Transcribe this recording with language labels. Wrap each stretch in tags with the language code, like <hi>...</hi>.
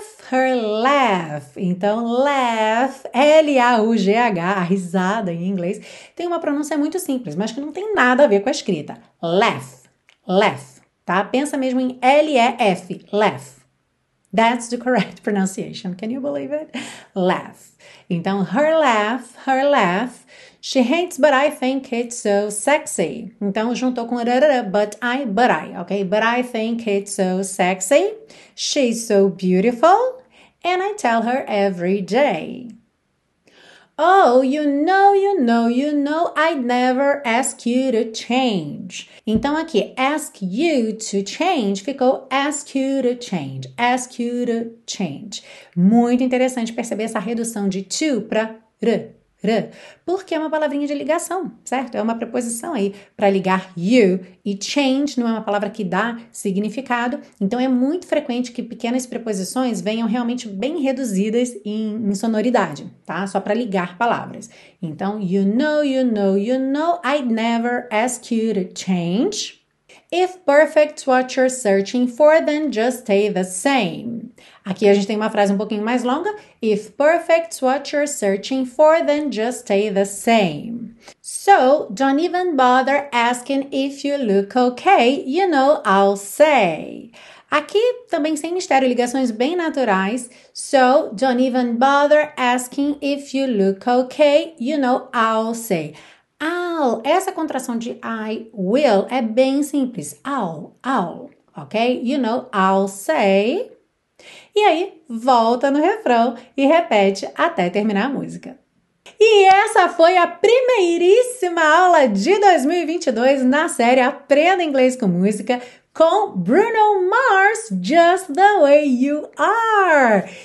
<pt>Her laugh, então laugh, L-A-U-G-H, a risada em inglês, tem uma pronúncia muito simples, mas que não tem nada a ver com a escrita. Laugh, laugh, tá? Pensa mesmo em L-E-F, laugh.</pt> <en>That's the correct pronunciation, can you believe it? Laugh.</en> <pt>Então,</pt> <en>her laugh, she hates, but I think it's so sexy.</en> <pt>Então, juntou com rarara,</pt> <en>but I,</en> <pt>ok?</pt> <en>But I think it's so sexy. She's so beautiful. And I tell her every day. Oh, you know, I'd never ask you to change.</en> <pt>Então, aqui,</pt> <en>ask you to change</en> <pt>ficou</pt> <en>ask you to change. Ask you to change.</en> <pt>Muito interessante perceber essa redução de to para r. Porque é uma palavrinha de ligação, certo? É uma preposição aí para ligar you e change não é uma palavra que dá significado. Então é muito frequente que pequenas preposições venham realmente bem reduzidas em sonoridade, tá? Só para ligar palavras. Então,</pt> <en>you know, I'd never ask you to change. If perfect's what you're searching for, then just stay the same.</en> <pt>Aqui a gente tem uma frase um pouquinho mais longa.</pt> <en>If perfect's what you're searching for, then just stay the same. So, don't even bother asking if you look okay, you know I'll say.</en> <pt>Aqui também sem mistério, ligações bem naturais.</pt> <en>So, don't even bother asking if you look okay, you know I'll say.</en> <pt>I'll, essa contração de</pt> <en>I will</en> <pt>é bem simples.</pt> <en>I'll, ok? You know I'll say.</en> <pt>E aí, volta no refrão e repete até terminar a música. E essa foi a primeiríssima aula de 2022 na série Aprenda Inglês com Música com Bruno Mars, Just the Way You Are.</pt>